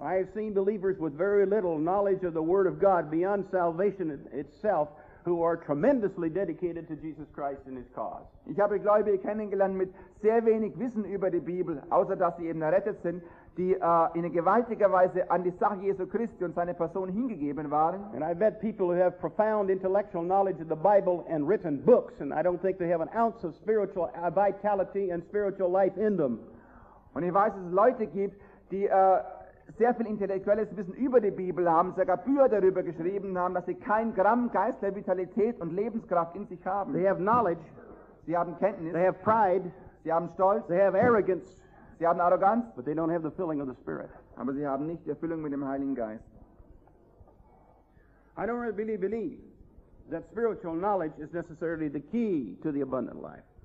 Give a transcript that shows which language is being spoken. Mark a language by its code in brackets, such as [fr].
[en] I have seen believers with very little knowledge of the Word of God beyond salvation itself who are tremendously dedicated to Jesus Christ and his cause. [de] Ich habe Gläubige kennengelernt mit sehr wenig Wissen über die Bibel, außer dass sie eben errettet sind, die in gewaltiger Weise an die Sache Jesu Christi und seine Person hingegeben waren. [en] And I've met people who have profound intellectual knowledge of the Bible and written books, and I don't think they have an ounce of spiritual vitality and spiritual life in them. [de] Und ich weiß, dass es Leute gibt, die sehr viel intellektuelles Wissen über die Bibel haben, sogar Bücher darüber geschrieben haben, dass sie kein Gramm geistlicher Vitalität und Lebenskraft in sich haben. [en] They have knowledge. [de] Sie haben Kenntnis. [en] They have pride. [de] Sie haben Stolz. [en] They have arrogance. [de] Sie haben Arroganz. [en] But they don't have the filling of the Spirit. [de] Aber sie haben nicht die Erfüllung mit dem Heiligen Geist. [en] I don't really believe that spiritual knowledge is necessarily the key to the abundant life.